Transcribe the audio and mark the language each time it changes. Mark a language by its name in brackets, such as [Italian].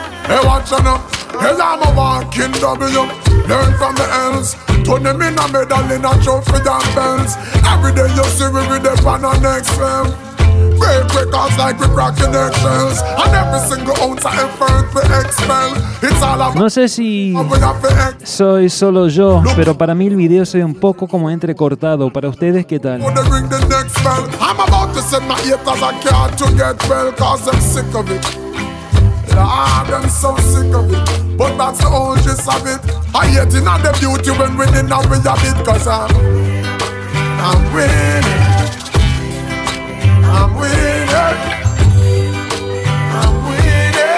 [English] Hey, what you know? Hell, I'm a walking W. Learn from the L's. Turn them in a medal in a trophy and bells. Every day you see me with the pan on next level. Break records like we're cracking eggshells. And every single ounce of effort we expel. It's all about. [Spanish] No sé si soy solo yo, pero para mí el video se ve un poco como entrecortado. ¿Para ustedes qué tal? [English] I'm about to send my haters a card to get well, cause I'm sick of it. Lord, I'm so sick of it. But that's the whole gist of it. I hate in the beauty when winning and we have it. Cause I'm winning. I'm winning. I'm winning.